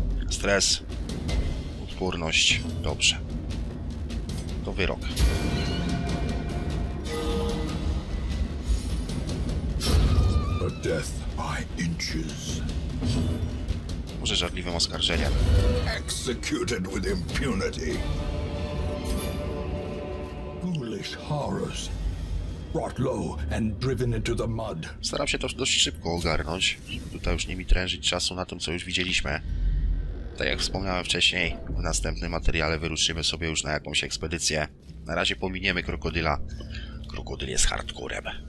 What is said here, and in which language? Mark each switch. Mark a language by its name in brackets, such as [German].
[Polish] Stres, odporność, dobrze. To wyrok. [English] A death by inches. [Polish] Może żarliwym oskarżeniem. [English] Executed with impunity. Foolish horrors. Brought low and driven into the mud. [Polish] Staram się to dość szybko ogarnąć, żeby tutaj już nie mi trężyć czasu na tym, co już widzieliśmy. Tak jak wspomniałem wcześniej, w następnym materiale wyruszymy sobie już na jakąś ekspedycję. Na razie pominiemy krokodyla. Krokodyl jest hardcorem.